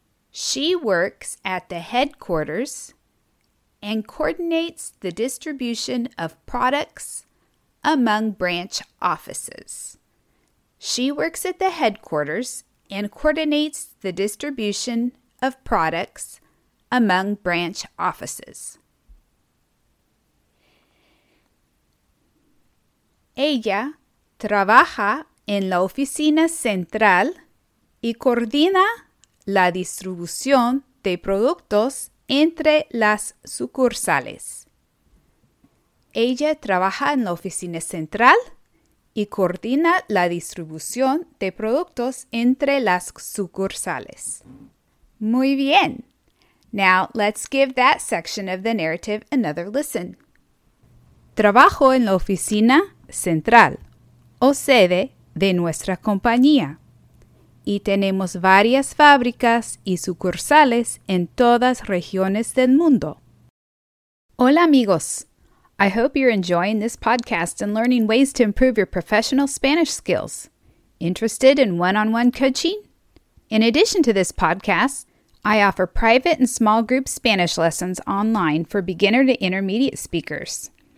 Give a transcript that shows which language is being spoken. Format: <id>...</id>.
<en>She works at the headquarters and coordinates the distribution of products among branch offices. She works at the headquarters and coordinates the distribution of products among branch offices.</en> <es>Ella trabaja en la oficina central y coordina la distribución de productos entre las sucursales. Ella trabaja en la oficina central y coordina la distribución de productos entre las sucursales. Muy bien.</es> <en>Now, let's give that section of the narrative another listen.</en> <es>Trabajo en la oficina central, o sede de nuestra compañía, y tenemos varias fábricas y sucursales en todas regiones del mundo. Hola amigos,</es> <en>I hope you're enjoying this podcast and learning ways to improve your professional Spanish skills. Interested in one-on-one coaching? In addition to this podcast, I offer private and small group Spanish lessons online for beginner to intermediate speakers.</en>